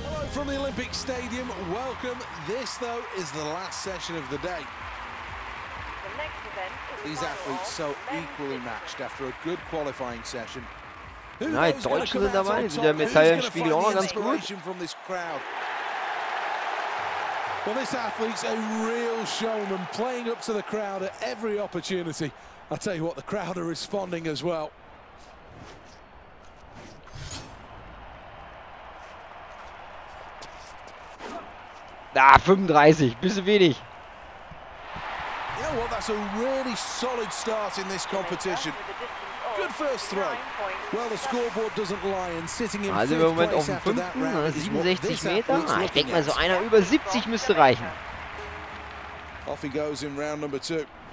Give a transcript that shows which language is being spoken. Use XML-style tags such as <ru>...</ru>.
<en>From the Olympic Stadium, welcome. This, though, is the last session of the day. These athletes so equally matched after a good qualifying session.</en> <de>Na, die Deutschen sind dabei, sind der Medaillenspiegel auch noch ganz gut.</de> <en>Well, this athlete's a real showman, playing up to the crowd at every opportunity. I tell you what, the crowd are responding as well.</en> <de>Ah, 35, bisschen wenig.</de> <en>You know what, that's a really solid start in this competition. Good first throw. Well, the scoreboard doesn't lie, and sitting in</en> <de>also im Moment auf dem 5. 67 Meter. Ah, ich denke mal, so einer über 70 müsste reichen.</de> <en>Off he goes in round number 2.</en>